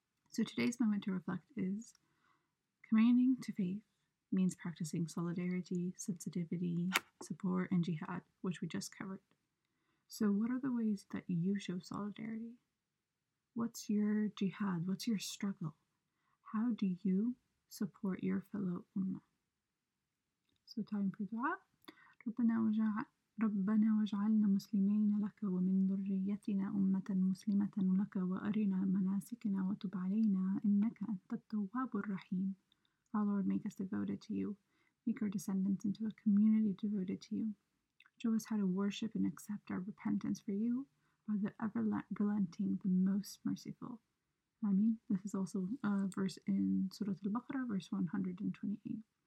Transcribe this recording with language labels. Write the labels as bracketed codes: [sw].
[en] So today's moment to reflect is, commanding to faith means practicing solidarity, sensitivity, support, and jihad, which we just covered. So what are the ways that you show solidarity? What's your jihad? What's your struggle? How do you support your fellow ummah? So time for dua. [ar] ربنا وجعلنا مسلمين لك ومن ذريتنا أمة مسلمة لك وأرنا مناسكنا وتب علينا إنك أنت التواب الرحيم. [en] Our Lord, make us devoted to you. Make our descendants into a community devoted to you. Show us how to worship and accept our repentance for you. Are the ever relenting, the most merciful. Ameen. This is also a verse in Surah Al-Baqarah, verse 128.